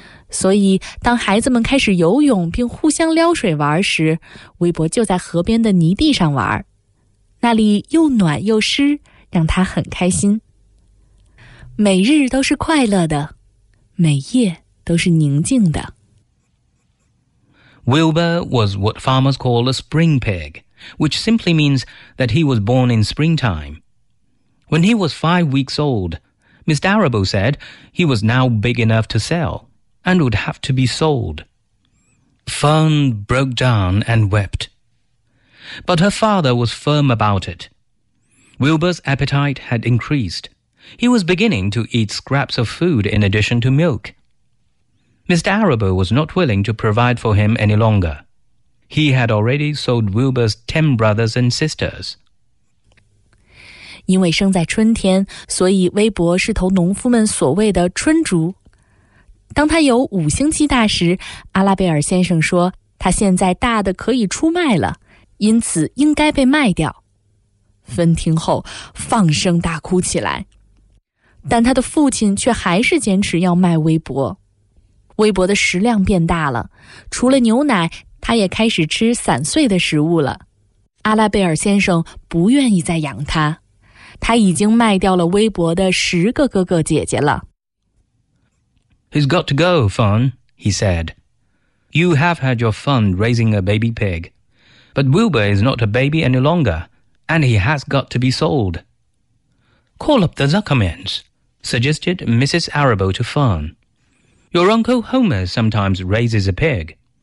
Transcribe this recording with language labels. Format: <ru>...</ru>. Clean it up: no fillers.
<zh>所以，当孩子们开始游泳并互相撩水玩时，威伯就在河边的泥地上玩。那里又暖又湿，让他很开心。每日都是快乐的，每夜都是宁静的。</zh> <en>Wilbur was what farmers call a spring pig, which simply means that he was born in springtime. When he was 5 weeks old, Miss Darabo said he was now big enough to sell and would have to be sold. Fern broke down and wept. But her father was firm about it. Wilbur's appetite had increased. He was beginning to eat scraps of food in addition to milk. Mr. Arable was not willing to provide for him any longer. He had already sold Wilbur's 10 brothers and sisters.</en> <zh>因为生在春天，所以威伯是头农夫们所谓的春猪。当他有五星期大时，阿拉贝尔先生说他现在大的可以出卖了，因此应该被卖掉。芬听后放声大哭起来，但他的父亲却还是坚持要卖威伯。威伯的食量变大了，除了牛奶，他也开始吃散碎的食物了。阿拉贝尔先生不愿意再养他，他已经卖掉了威伯的十个哥哥姐姐了。</zh> <en>He's got to go, Fern, he said. You have had your fun raising a baby pig, but Wilbur is not a baby any longer. And he has got to be sold. Call up the Zuckermans, suggested Mrs. Arable to Fern. Your Uncle Homer sometimes raises a pig.</en>